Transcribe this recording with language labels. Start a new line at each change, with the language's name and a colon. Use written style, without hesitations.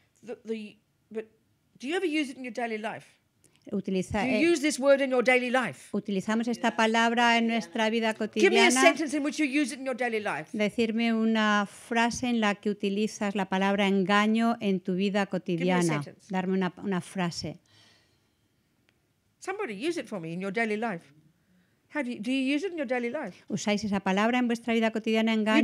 English: But do you ever use it in your daily life? Do you use this word in your daily life?
Spanish: Utilizamos esta palabra en nuestra vida cotidiana.
English: Give me a sentence in which you use it in your daily life.
Spanish: Decirme una frase en la que utilizas la palabra engaño en tu vida cotidiana.
English: Give me a sentence.
Spanish: Darme una frase.
English: Somebody use it for me in your daily life. Do you use it in your daily life?
Spanish: ¿Usáis esa palabra en vuestra vida cotidiana, engaño?